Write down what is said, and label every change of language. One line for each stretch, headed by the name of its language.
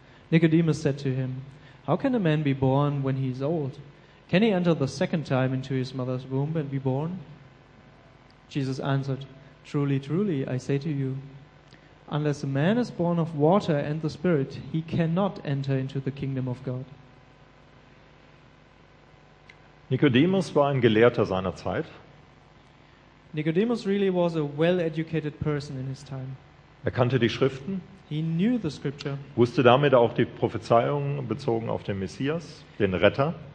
English: Nicodemus said to him: How can a man be born when he is old? Can he enter the second time into his mother's womb and be born? Jesus answered: Truly, truly, I say to you, unless a man is born of water and the Spirit, he cannot enter into the kingdom of God.
German: Nikodemus war ein Gelehrter seiner Zeit.
English: Nicodemus really was a well-educated person in his time.
German: Er kannte die Schriften.
English: He knew the scripture.
German: Wusste damit auch die Prophezeiungen bezogen auf den Messias, den Retter.